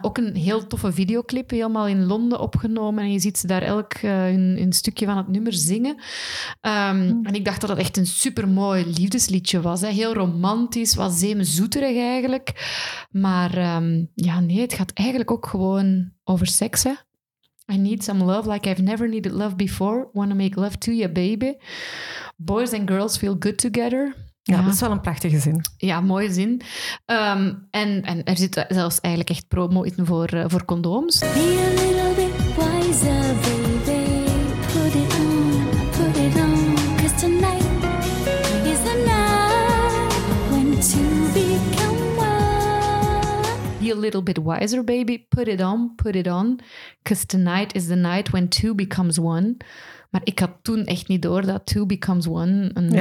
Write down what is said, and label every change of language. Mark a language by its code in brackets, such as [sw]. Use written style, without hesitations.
[nl] Ook een heel toffe videoclip, helemaal in Londen opgenomen. En je ziet ze daar elk een stukje van het nummer zingen. En ik dacht dat dat echt een supermooi liefdesliedje was. Hè. Heel romantisch, wat zeemzoeterig eigenlijk. Maar het gaat eigenlijk ook gewoon over seks. Hè. [en] I need some love like I've never needed love before. Wanna make love to you, baby. Boys and girls feel good together. [nl] Ja, dat is wel een prachtige zin. Ja, mooie zin. En er zit zelfs eigenlijk echt promo in voor condooms. [en] Be a little bit wiser, baby. Put it on, cause tonight is the night when to become one. Be a little bit wiser, baby. Put it on, cause tonight is the night when two becomes one. [nl] Maar ik had toen echt niet door dat Two Becomes One...